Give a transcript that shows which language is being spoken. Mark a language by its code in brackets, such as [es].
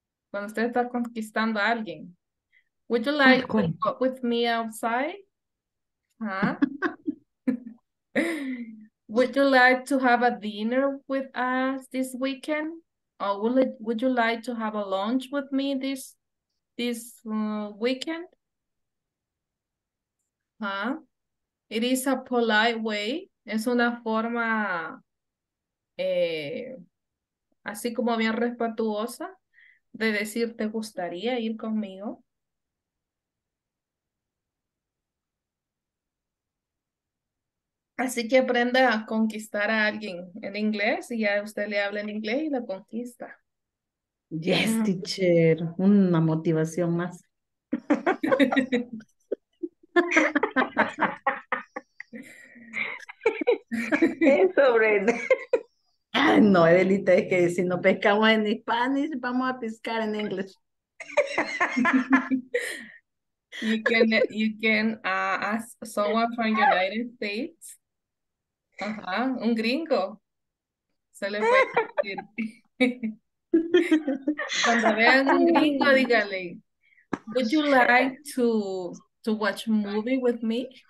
[es] Cuando usted está conquistando a alguien. [en] Would you like to walk with me outside? Huh? Would you like to have a dinner with us this weekend? Oh, would you like to have a lunch with me this weekend? Huh? It is a polite way. [es] Es una forma así como bien respetuosa de decir, ¿te gustaría ir conmigo? Así que aprenda a conquistar a alguien en inglés y ya usted le habla en inglés y la conquista. [en] Yes, teacher. [es] Una motivación más. Eso, Brenda. Ay, no, Edelita, es que si no pescamos en Spanish, vamos a pescar en inglés. [en] You can ask someone from the United States. [es] Ajá, un gringo. Se le puede decir. Cuando vean un gringo, dígale, [en] would you like to watch a movie with me?